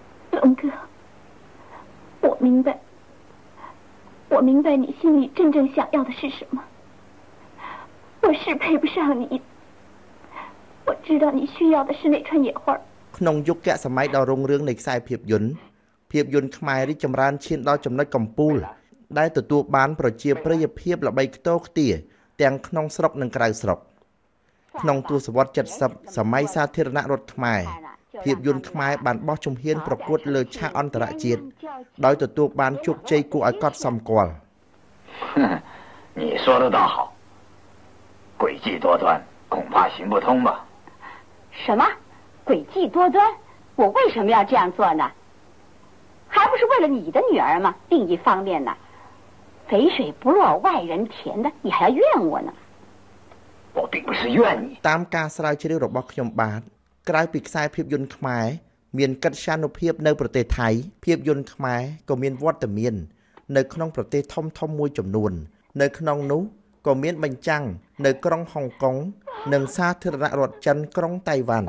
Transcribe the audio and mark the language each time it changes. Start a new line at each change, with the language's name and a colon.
Chinese: 龙哥，我明白，我明白你心里真正想要的是什么。我是配不上你，我知道你需要的是那串野花。
Khmer: ក្នុងយុគសម័យដ៏រុងរឿងនៃខ្សែភាពយន្តភាពយន្តខ្មែររីកចម្រើនឈានដល់ចំណុចកំពូលដែលទទួលបានប្រជាប្រិយភាពល្បីខ្ទោខ្ទារទាំងក្នុងស្រុកនិងក្រៅស្រុកក្នុងទសវត្ស70សម័យសាធារណរដ្ឋខ្មែរភាពយន្តខ្មែរបានបោះជំហានប្រកួតលើឆាកអន្តរជាតិដោយទទួលបានជោគជ័យគួរឲ្យកត់សម្គាល់
Chinese: 你說的倒好詭計多端恐怕行不通吧什麼诡计多端，我为什么要这样做呢？还不是为了你的女儿吗？另一方面呢，肥水不落外人田的，你还要怨我呢？我并不是怨你。
Khmer: ตามការស្រាវជ្រាវរបស់ខ្ញុំបាទក្រៅពីខ្សែភាពយន្តខ្មែរមានកិត្យានុភាពនៅប្រទេសថៃភាពយន្តខ្មែរក៏មានវត្តមាននៅក្នុងប្រទេសធំៗមួយចំនួននៅក្នុងនោះក៏មានបញ្ចាំងនៅក្រុងហុងកុងនិងសាធារណរដ្ឋចិនក្រុងតៃវ៉ាន់